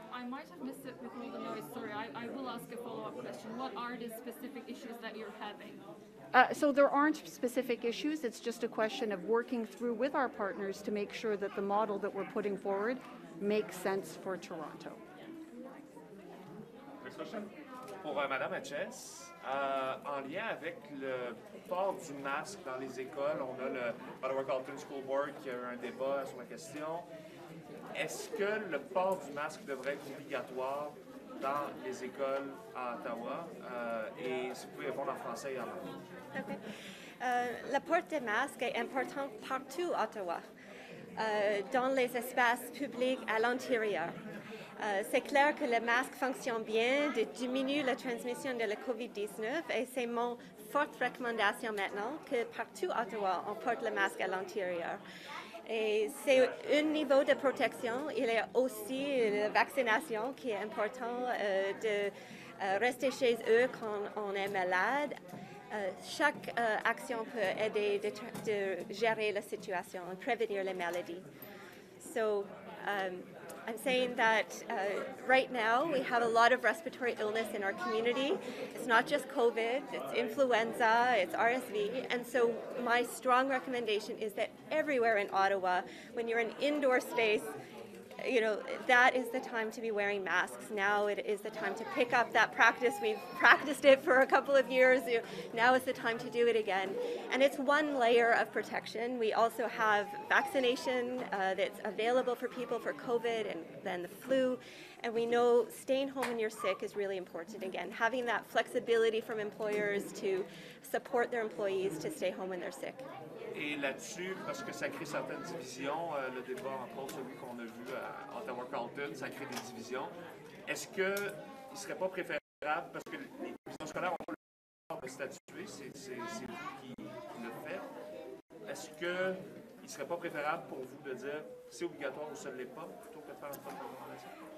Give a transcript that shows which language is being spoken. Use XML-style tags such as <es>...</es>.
<en>I might have missed it with all the noise. Sorry, I will ask a follow-up question. What are the specific issues that you're having? So there aren't specific issues. It's just a question of working through with our partners to make sure that the model that we're putting forward makes sense for Toronto. Next question.</en> <fr>Pour Madame Etches, en lien avec le port du masque dans les écoles, on a le Ottawa Carleton School Board qui a eu un débat sur la question. Est-ce que le port du masque devrait être obligatoire dans les écoles à Ottawa? Et si vous pouvez répondre en français et en anglais. Le port des masques est important partout à Ottawa, dans les espaces publics à l'intérieur. C'est clair que le masque fonctionne bien, de diminuer la transmission de la COVID-19, et c'est mon forte recommandation maintenant que partout à Ottawa, on porte le masque à l'intérieur. Et c'est un niveau de protection, il y a aussi la vaccination qui est important de rester chez eux quand on est malade. Chaque action peut aider de gérer la situation et prévenir les maladies.</fr> <en>So, I'm saying that right now we have a lot of respiratory illness in our community. It's not just COVID, it's influenza, it's RSV. And so my strong recommendation is that everywhere in Ottawa, when you're in indoor space, you know, that is the time to be wearing masks. Now it is the time to pick up that practice. We've practiced it for a couple of years. Now is the time to do it again. And it's one layer of protection. We also have vaccination that's available for people for COVID and then the flu. And we know staying home when you're sick is really important. Again, having that flexibility from employers to support their employees to stay home when they're sick.</en> <fr>Et là-dessus, parce que ça crée certaines divisions, le débat entre autres celui qu'on a vu à Ottawa Carlton, ça crée des divisions. Est-ce qu'il ne serait pas préférable, parce que les commissions scolaires ont le pouvoir de statuer, c'est vous qui le faites, est-ce qu'il ne serait pas préférable pour vous de dire c'est obligatoire ou ça ne l'est pas, plutôt que de faire un peu de recommandation?</fr>